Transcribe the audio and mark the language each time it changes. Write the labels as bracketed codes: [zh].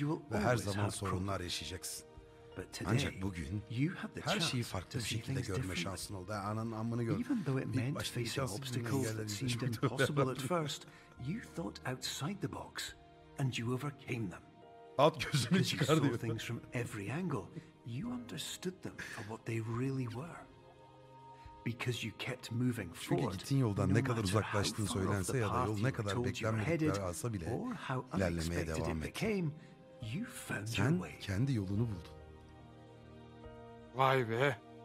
[tr] Ve her zaman sorunlar yaşayacaksın. Ancak bugün her şeyi farklı bir şekilde görme şansın oldu. Ananın amını gör. İlk başta bir şansın bir yerden geçmişti. At gözünü çıkar diyor. [en] You understood them for what they really were. Because you kept moving forward. [tr] Çünkü gittiğin yoldan ne kadar uzaklaştığın söylense ya da yol ne kadar beklenmedikler alsa bile ilerlemeye devam ettin. Sen kendi yolunu buldun. Vay be.